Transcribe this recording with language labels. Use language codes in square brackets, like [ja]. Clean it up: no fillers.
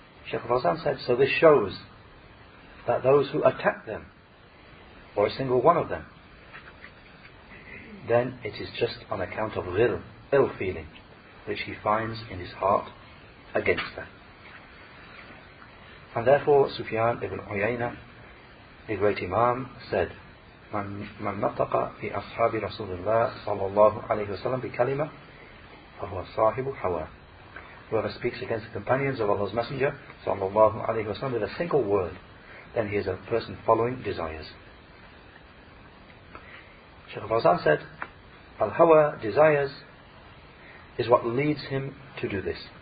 [en] Shaykh al-Fawzan said, so this shows that those who attack them, or a single one of them, then it is just on account of ill feeling which he finds in his heart against them. And therefore Sufyan ibn Uyayna, the great Imam, said, [ar] من نطق في أصحاب رسول الله صلى الله عليه وسلم بكلمة فهو صاحب حواء. [en] Whoever speaks against the companions of Allah's Messenger [ar] صلى الله عليه وسلم [en] with a single word, then he is a person following desires. Shaykh al-Fawzan said, Al-Hawa, desires, is what leads him to do this.